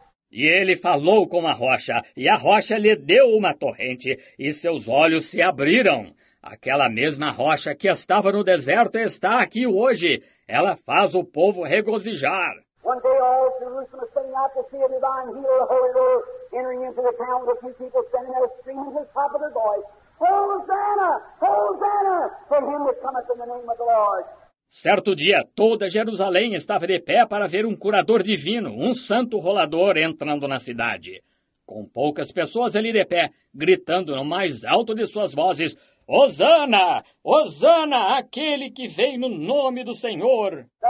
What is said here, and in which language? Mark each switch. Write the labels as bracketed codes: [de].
[pt] E ele falou com a rocha, e a rocha lhe deu uma torrente, e seus olhos se abriram. Aquela mesma rocha que estava no deserto está aqui hoje. Ela faz o povo regozijar. [en] One day all Jerusalem is standing out to see a divine healer, the Holy Lord, entering into the town with a few people standing there screaming at the top of their voice, Hosanna! Hosanna! For him that cometh in the name of the Lord. [pt] Certo dia, toda Jerusalém estava de pé para ver um curador divino, um santo rolador, entrando na cidade. Com poucas pessoas ali de pé, gritando no mais alto de suas vozes, Hosanna! Hosanna! Aquele que vem no nome do Senhor!